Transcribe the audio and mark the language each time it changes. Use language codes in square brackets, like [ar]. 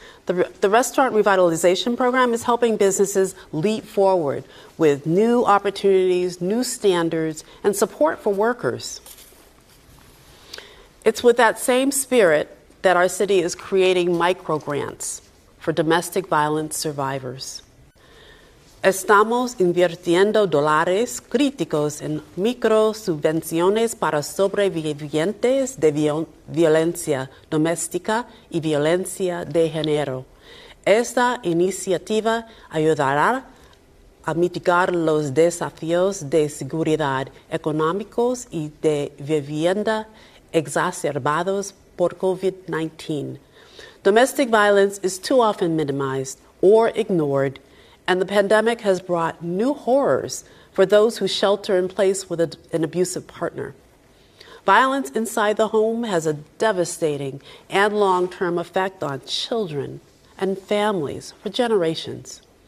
[en] The Restaurant Revitalization Program is helping businesses leap forward with new opportunities, new standards, and support for workers. It's with that same spirit that our city is creating micro-grants for domestic violence survivors. [es] Estamos invirtiendo dólares críticos en micro subvenciones para sobrevivientes de violencia doméstica y violencia de género. Esta iniciativa ayudará a mitigar los desafíos de seguridad económicos y de vivienda exacerbados por COVID-19. [en] Domestic violence is too often minimized or ignored, and the pandemic has brought new horrors for those who shelter in place with an abusive partner. Violence inside the home has a devastating and long-term effect on children and families for generations.